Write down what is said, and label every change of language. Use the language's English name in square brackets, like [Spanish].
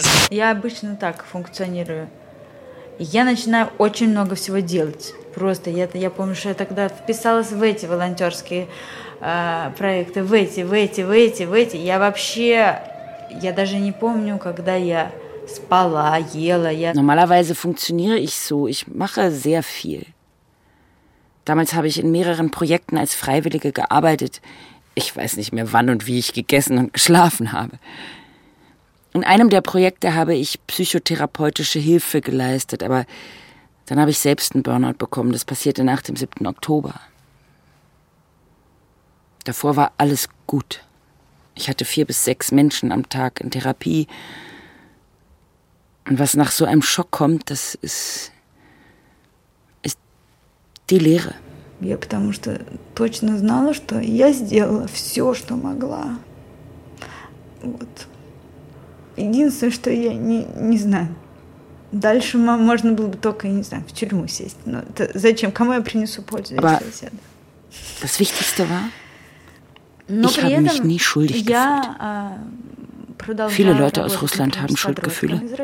[Russian] Я обычно так функционирую. Я начинаю очень много всего делать. Просто я помню, что я тогда вписалась в эти волонтерские проекты, в эти. Я даже не помню, когда я спала, ела. [German] Normalerweise funktioniere ich so. Ich mache sehr viel. Damals habe ich in mehreren Projekten als Freiwillige gearbeitet. Ich weiß nicht mehr, wann und wie ich gegessen und geschlafen habe. In einem der Projekte habe ich psychotherapeutische Hilfe geleistet, aber dann habe ich selbst einen Burnout bekommen. Das passierte nach dem 7. Oktober. Davor war alles gut. Ich hatte 4 bis 6 Menschen am Tag in Therapie. Und was nach so einem Schock kommt, das ist die Leere. [Russian] Я потому что точно знала, что я сделала все, что могла. Вот. Единственное, что я не знаю. Дальше можно было бы только, не знаю, в тюрьму сесть. Но это зачем? Кому я принесу пользу, если я сяду? [German] Das Wichtigste war, ich habe mich nie schuldig gefühlt. Viele Leute aus Russland haben Schuldgefühle.